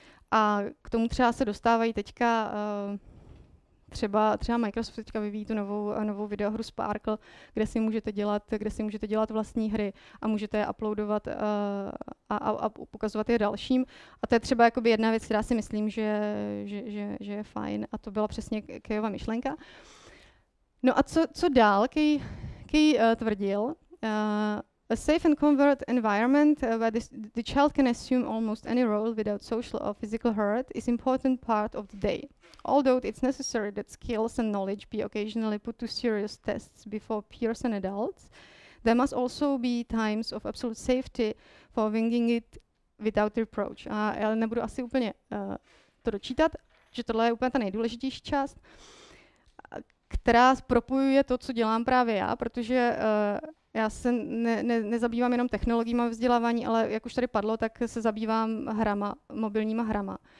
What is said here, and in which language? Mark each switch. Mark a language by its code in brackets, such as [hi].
[cs] A k tomu třeba se dostávají teďka, třeba Microsoft teďka vyvíjí tu novou videohru Sparkle, kde si můžete dělat vlastní hry a můžete je uploadovat a ukazovat je dalším. A to je třeba jakoby jedna věc, která si myslím, že je fajn. A to byla přesně Kejova myšlenka. No a co dál, Kej? Tvrdil, [en] a safe and covert environment where the child can assume almost any role without social or physical hurt is important part of the day. Although it's necessary that skills and knowledge be occasionally put to serious tests before peers and adults, there must also be times of absolute safety for winging it without reproach. [cs] A já nebudu asi úplně to dočítat, že tohle je úplně ta nejdůležitější část, která propojuje to, co dělám právě já, protože já se nezabývám jenom technologiemi vzdělávání, ale jak už tady padlo, tak se zabývám hrama, mobilníma hrama.